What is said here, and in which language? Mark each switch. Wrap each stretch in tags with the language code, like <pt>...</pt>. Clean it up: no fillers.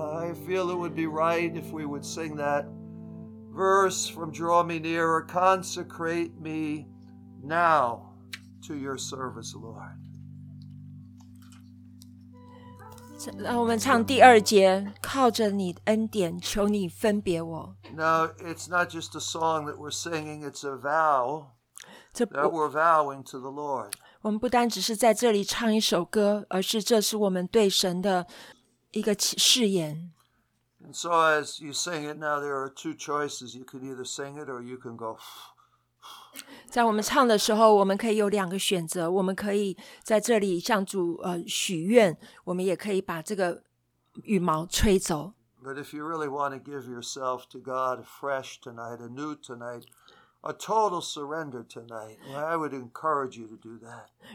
<en>I feel it would be right if we would sing that verse from Draw Me Nearer, consecrate me now to your service, Lord.</en> <zh>让我们唱第二节, 靠着你的恩典求你分别我。</zh> <en>Now, it's not just a song that we're singing, it's a vow that we're vowing to the Lord.</en> <zh>我们不单只是在这里唱一首歌, 而是这是我们对神的一个誓言。</zh> <en>And so as you sing it now, there are two choices. You can either sing it or you can go...</en> <zh>在我们唱的时候, 我们可以有两个选择, 我们可以在这里向主, 许愿, 我们也可以把这个羽毛吹走。</zh> <en>But if you really want to give yourself to God fresh tonight, anew tonight, a total surrender tonight, I would encourage you to do that.</en>